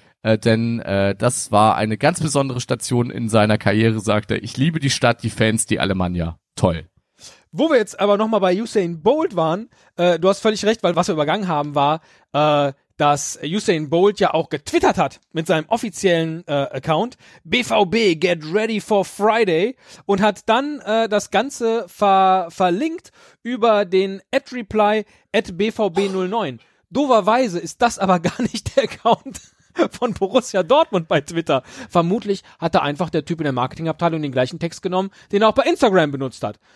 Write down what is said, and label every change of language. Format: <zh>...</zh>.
<de>Denn das war eine ganz besondere Station in seiner Karriere, sagt er. Ich liebe die Stadt, die Fans, die Alemannia. Toll. Wo wir jetzt aber nochmal bei Usain Bolt waren, du hast völlig recht, weil was wir übergangen haben, war, dass Usain Bolt ja auch getwittert hat mit seinem offiziellen Account.</de> <en>BVB, get ready for Friday.</en> <de>Und hat dann das Ganze verlinkt über den @reply@BVB09. Dooferweise ist das aber gar nicht der Account von Borussia Dortmund bei Twitter. Vermutlich hat da einfach der Typ in der Marketingabteilung den gleichen Text genommen, den er auch bei Instagram benutzt hat.</de>